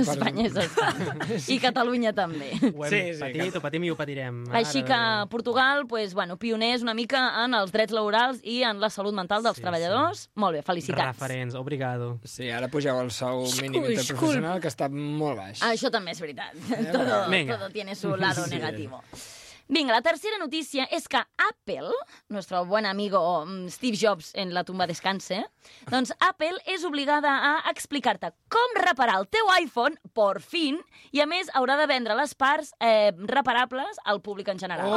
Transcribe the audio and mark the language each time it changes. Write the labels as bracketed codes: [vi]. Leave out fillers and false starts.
[ca] Espanya és Espanya. I Catalunya també. Ho patim i ho patirem. Així que Portugal, pues, bueno, pioner és una mica en els drets laborals i en la salut mental dels treballadors. Sí. Molt bé, felicitats. Referents, obrigado. Sí, ara pugeu el sou mínim interprofessional, que està molt baix. Això també és veritat. [es] Todo tiene su lado negativo. [ca] Vinga, la tercera notícia és que Apple, [es] nuestro buen amigo Steve Jobs en la tumba descanse, [ca] doncs Apple és obligada a explicar-te com reparar el teu iPhone, [es] por fin, [ca] i a més haurà de vendre les parts reparables al públic en general.